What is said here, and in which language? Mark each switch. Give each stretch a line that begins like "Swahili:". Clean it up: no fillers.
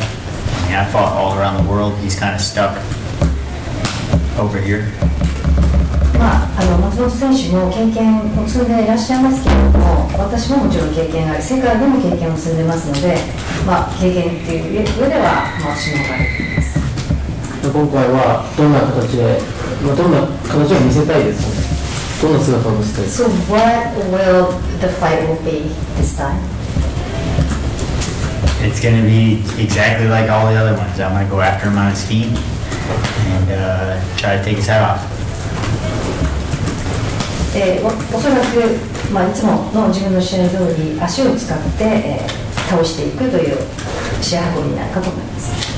English: I mean, I fought all around the world. He's kind of stuck over here.
Japanese: まあ、松本選手も経験を積んでいらっしゃいますけれども、私ももちろん経験がある。世界でも経験を積んでますので、まあ、経験っていう上では、まあ、私の方がある。今回はどんな形で、まあ、どんな形を見せたいですね。どんな姿を見せたいですか。
English: So what will the fight will be this time? It's going to be exactly like all the other ones. I'm going to go after him on his feet and try to take his head off.
Japanese: おそらく、まあ、いつもの自分の試合通り足を使って、倒していくという試合運びになるかと思います。